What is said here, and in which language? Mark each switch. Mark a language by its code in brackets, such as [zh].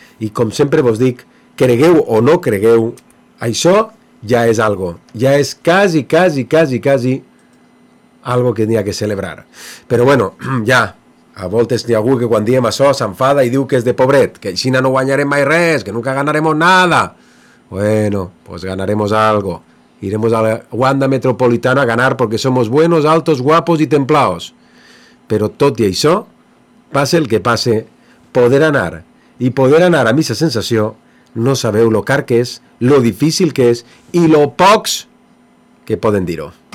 [ca] I com sempre vos dic, cregueu o no cregueu, això ja és algo, ja és quasi algo que n'hi ha que celebrar. Però bueno, ja, A voltes n'hi ha algú que quan diem això s'enfada i diu que és de pobret, que aixina no guanyarem mai res, que [es] nunca ganarem nada. Bueno, pues ganaremos algo. Iremos a la Wanda Metropolitana a ganar porque somos buenos, altos, guapos y templados. [ca] Però tot i això, passe el que passe, poder anar i poder anar a missa sensació, no sabeu lo car que és, lo difícil que és i lo pocs que poden dir-ho.